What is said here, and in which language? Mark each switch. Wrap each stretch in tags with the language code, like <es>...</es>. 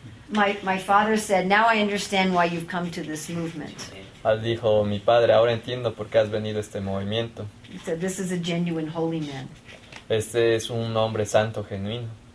<en>My father said, "Now I understand why you've come to this movement."</en> <es>Él dijo, mi padre, ahora entiendo por qué has venido a este movimiento.</es> <en>He said, "This is a genuine holy man."</en> <es>Este es un hombre santo genuino.</es>